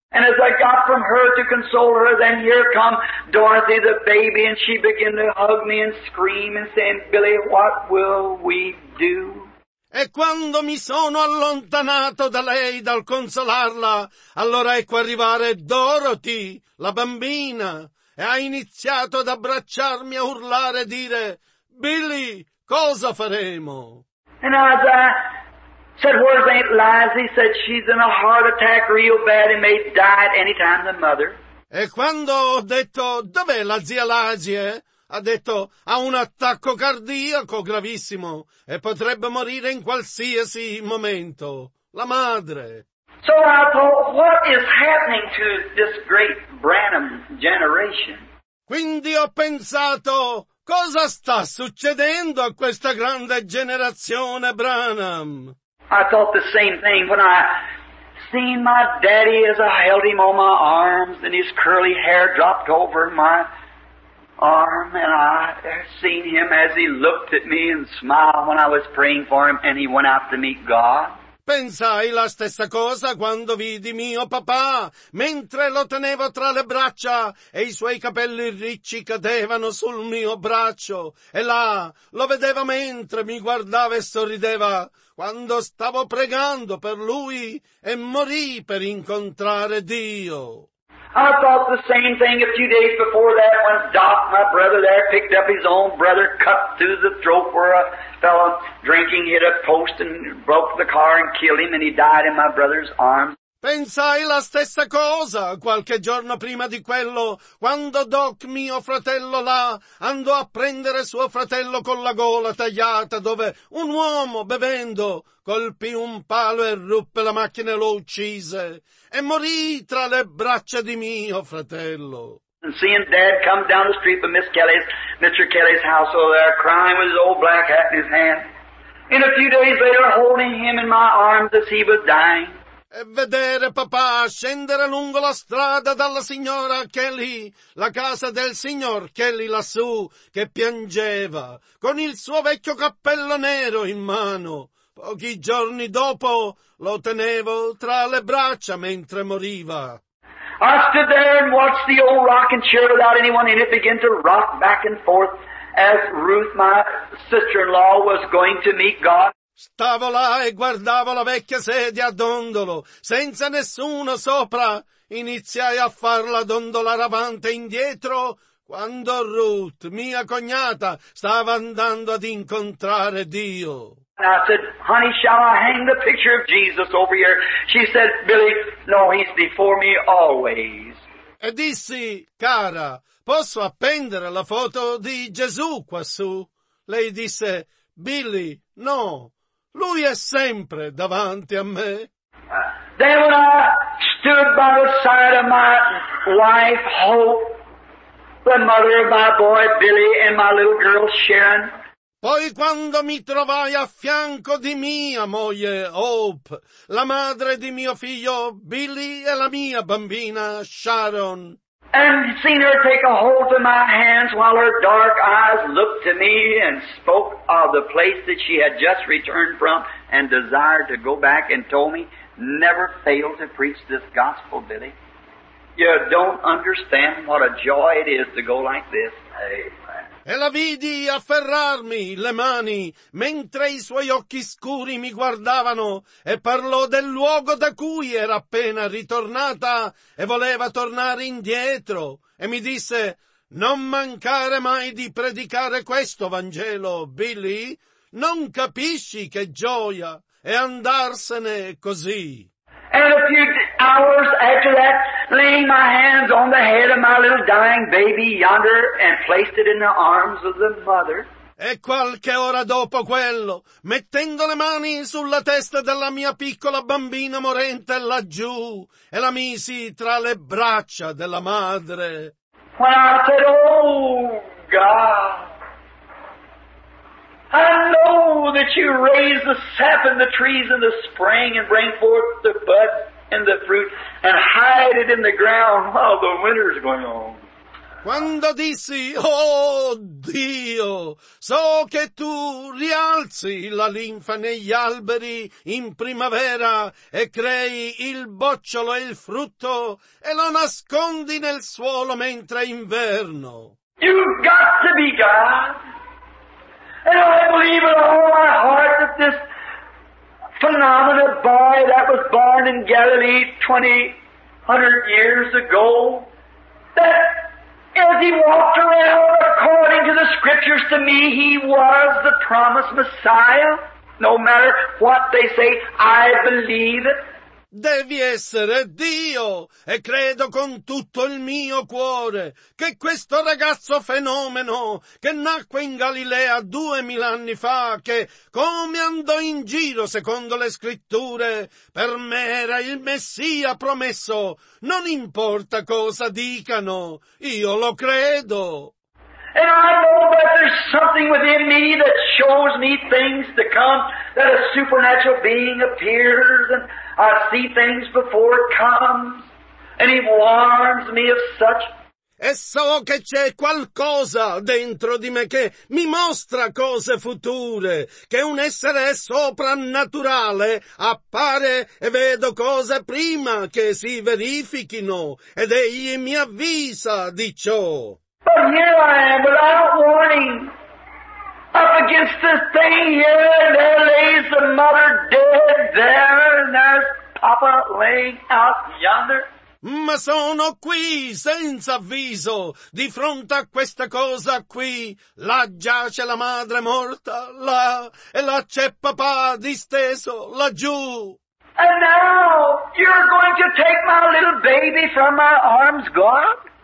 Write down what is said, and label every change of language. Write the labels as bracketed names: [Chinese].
[English] And as I got from her to console her, then here come Dorothy the baby, and she began to hug me and scream and saying, Billy, what will we do? [Italian] E quando mi sono allontanato da lei dal consolarla, allora ecco arrivare Dorothy, la bambina, e ha iniziato ad abbracciarmi, a urlare e dire, Billy, cosa faremo? [English] And as I said, where's Aunt Liza? He said, she's in a heart attack real bad and may die at any time, the mother. [Italian] E quando ho detto, dov'è la zia Liza? Ha detto, ha un attacco cardiaco gravissimo e potrebbe morire in qualsiasi momento. La madre. [English] So I thought, what is happening to this great Branham generation? [Italian] Quindi ho pensato, cosa sta succedendo a questa grande generazione Branham? [English] I thought the same thing when I seen my daddy as I held him on my arms and his curly hair dropped over my arm, and I seen him as he looked at me and smiled when I was praying for him and he went out to meet God. [Italian] Pensai la stessa cosa quando vidi mio papà, mentre lo tenevo tra le braccia e i suoi capelli ricci cadevano sul mio braccio. E là lo vedeva mentre mi guardava e sorrideva, quando stavo pregando per lui e morì per incontrare Dio. [English] I thought the same thing a few days before that when Doc, my brother there, picked up his own brother, cut through the throat where a fellow drinking hit a post and broke the car and killed him and he died in my brother's arms. [Italian] Pensai la stessa cosa qualche giorno prima di quello, quando Doc, mio fratello là, andò a prendere suo fratello con la gola tagliata, dove un uomo, bevendo, colpì un palo e ruppe la macchina e lo uccise, e morì tra le braccia di mio fratello. [English] And seeing Dad come down the street from Mr. Kelly's house over there, crying with his old black hat in his hand. In a few days later, holding him in my arms as he was dying. [Italian] E vedere papà scendere lungo la strada dalla signora Kelly, la casa del signor Kelly lassù, che piangeva, con il suo vecchio cappello nero in mano. Pochi giorni dopo lo tenevo tra le braccia mentre moriva. [English] I stood there and watched the old rocking chair without anyone in it begin to rock back and forth as Ruth, my sister-in-law, was going to meet God. [Italian] Stavo là e guardavo la vecchia sedia a dondolo, senza nessuno sopra. Iniziai a farla dondolare avanti e indietro, quando Ruth, mia cognata, stava andando ad incontrare Dio. [English] And I said, honey, shall I hang the picture of Jesus over here? She said, Billy, no, he's before me always. [Italian] E dissi, cara, posso appendere la foto di Gesù quassù? Lei disse, Billy, no. Lui è sempre davanti a me. [English] Then when I stood by the side of my wife, Hope, the mother of my boy Billy and my little girl Sharon. [Italian] Poi quando mi trovai a fianco di mia moglie Hope, la madre di mio figlio Billy e la mia bambina Sharon. [English] And seen her take a hold of my hands while her dark eyes looked to me and spoke of the place that she had just returned from and desired to go back and told me, never fail to preach this gospel, Billy. You don't understand what a joy it is to go like this. Amen. [Italian] E la vidi afferrarmi le mani mentre i suoi occhi scuri mi guardavano e parlò del luogo da cui era appena ritornata e voleva tornare indietro e mi disse, non mancare mai di predicare questo Vangelo, Billy. Non capisci che gioia è andarsene così. [English] And a few hours after that, laying my hands on the head of my little dying baby yonder and placed it in the arms of the mother. [Italian] E qualche ora dopo quello, mettendo le mani sulla testa della mia piccola bambina morente laggiù, e la misi tra le braccia della madre. [English] When I said, oh God, I know that you raise the sap in the trees in the spring and bring forth the buds in the fruit and hide it in the ground while the winter's going on. [Italian] Quando dissi, oh Dio, so che tu rialzi la linfa negli alberi in primavera e crei il bocciolo e il frutto e lo nascondi nel suolo mentre è inverno. [English] You've got to be God. And I believe with all my heart that this phenomenal boy that was born in Galilee 2,000 years ago, that as he walked around according to the scriptures to me, he was the promised Messiah. No matter what they say, I believe it. [Italian] Devi essere Dio, e credo con tutto il mio cuore che questo ragazzo fenomeno che nacque in Galilea 2000 anni fa, che come andò in giro secondo le scritture, per me era il Messia promesso. Non importa cosa dicano, io lo credo. [English] And I know that there's something within me that shows me things to come, that a supernatural being appears and I see things before it comes, and he warns me of such. [Italian] E so che c'è qualcosa dentro di me che mi mostra cose future, che un essere soprannaturale appare e vedo cose prima che si verifichino, ed egli mi avvisa di ciò. [English] But here I am, without warning, up against this thing here, and there lays the mother dead there, and there's Papa laying out yonder. [Italian] Ma sono qui, senza avviso, di fronte a questa cosa qui. Là giace la madre morta, là, e là c'è papà disteso, laggiù. [English] And now, you're going to take my little baby from my arms, God?